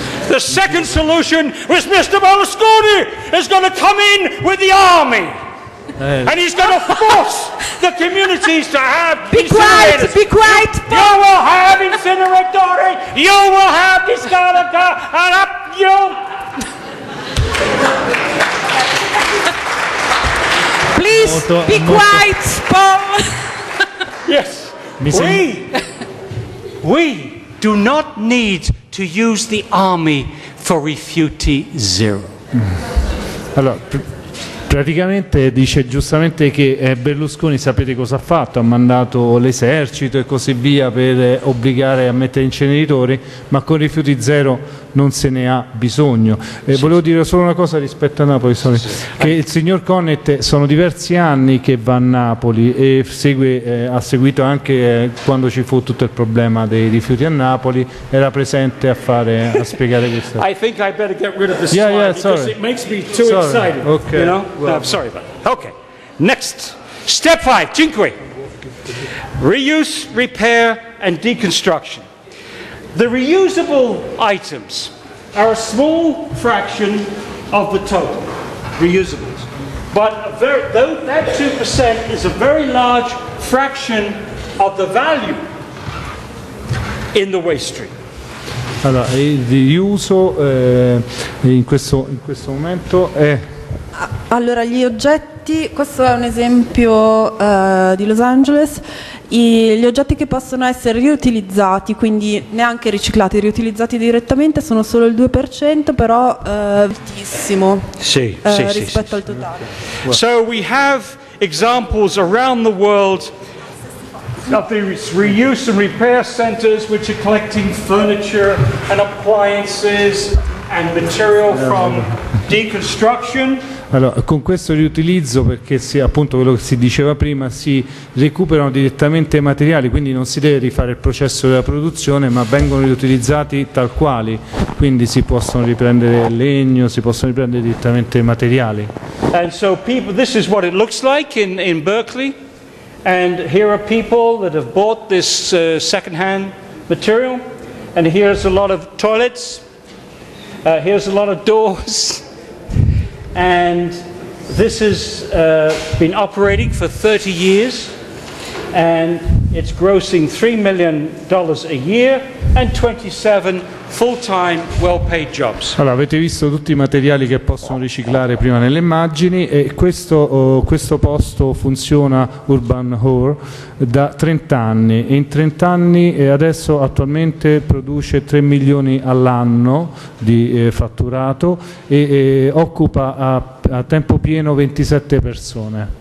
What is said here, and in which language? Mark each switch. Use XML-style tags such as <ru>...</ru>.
<en>The second solution was Mr. Berlusconi is going to come in with the army. And he's going to force the communities to have incinerators. Be quiet, be quiet. You will have incineratori. You will have discarica. And up you. Please molto, be molto. Quiet, Paul. Yes. We do not need to use the army for Rifiuti Zero.</en> <it>Allora, praticamente dice giustamente che Berlusconi, sapete cosa ha fatto? Ha mandato l'esercito e così via per obbligare a mettere inceneritori, ma con Rifiuti Zero non se ne ha bisogno. Sì, volevo dire solo una cosa rispetto a Napoli, sì, che il signor Connett sono diversi anni che va a Napoli e ha seguito anche quando ci fu tutto il problema dei rifiuti a Napoli, era presente a spiegare questo.</it> <en>I think I better get rid of this slide because it makes me too excited. Okay. You know? Well, no, sorry about that. Okay. Next. Step 5. Cinque. Reuse, repair and deconstruction. The reusable items are a small fraction of the total, reusables. But that 2% is a very large fraction of the value in the waste stream.</en> <it>Allora, il riuso in questo momento è... Allora, gli oggetti, questo è un esempio di Los Angeles. Gli oggetti che possono essere riutilizzati, quindi neanche riciclati, riutilizzati direttamente, sono solo il 2%, però altissimo rispetto al totale.</it> <en>So we have examples around the world of these reuse and repair centers which are collecting furniture and appliances and material from deconstruction.</en> <it>Allora, con questo riutilizzo, perché se, appunto quello che si diceva prima, si recuperano direttamente i materiali, quindi non si deve rifare il processo della produzione, ma vengono riutilizzati tal quali, quindi si possono riprendere legno, si possono riprendere direttamente i materiali.</it> <en>And so people, this is what it looks like in Berkeley, and here are people that have bought this second-hand material, and here's a lot of toilets, here's a lot of doors. And this has been operating for 30 years and it's grossing $3 million a year and 27 full-time well-paid jobs.</en> <it>Allora, avete visto tutti i materiali che possono riciclare prima nelle immagini e questo posto funziona Urban Hore da 30 anni e in 30 anni e adesso attualmente produce 3 milioni all'anno di fatturato e occupa a tempo pieno 27 persone.</it>